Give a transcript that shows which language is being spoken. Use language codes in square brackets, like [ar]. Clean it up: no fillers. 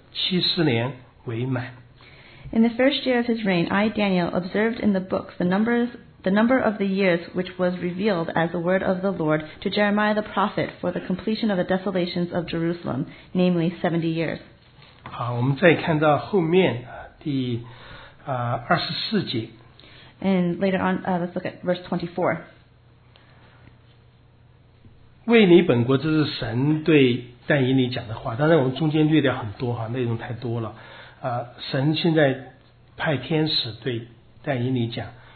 [zh] 就是他在位第一年，我但耶利从书上得知耶和华的话，临到先知耶利米，论耶路撒冷荒凉的年数70年为满。 [en] In the first year of his reign, I, Daniel, observed in the books the number of the years which was revealed as the word of the Lord to Jeremiah the prophet for the completion of the desolations of Jerusalem, namely 70 years. [zh] 好，我们再看到后面第24节。 [en] And later on, let's look at verse 24. [zh] 为你本国，这是神对但以理讲的话，当然我们中间略掉很多，内容太多了，神现在派天使对但以理讲。